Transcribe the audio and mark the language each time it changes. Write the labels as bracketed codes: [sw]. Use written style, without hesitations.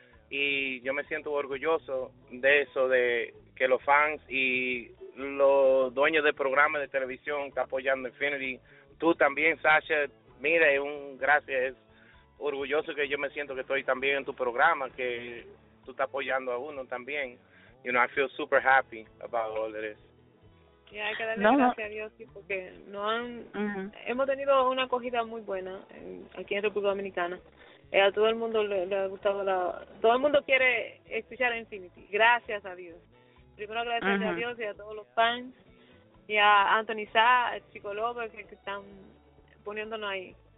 [es] Y yo me siento orgulloso de eso, de que los fans y los dueños de programas de televisión están apoyando Infiniti. Tú también, Sasha, mira, es un gracias. Es orgulloso que yo me siento que estoy también en tu programa, que tú estás apoyando a uno también. [en] You know, I feel super happy about all of this. [es] Ya, hay que darle gracias a Dios, sí, porque no han, uh-huh, hemos tenido una acogida muy buena aquí en República Dominicana. A todo el mundo le ha gustado, todo el mundo quiere escuchar a Infiniti, gracias a Dios. Primero agradecerle, uh-huh, a Dios y a todos los fans, y a Anthony Sá, el psicólogo, que están poniéndonos ahí.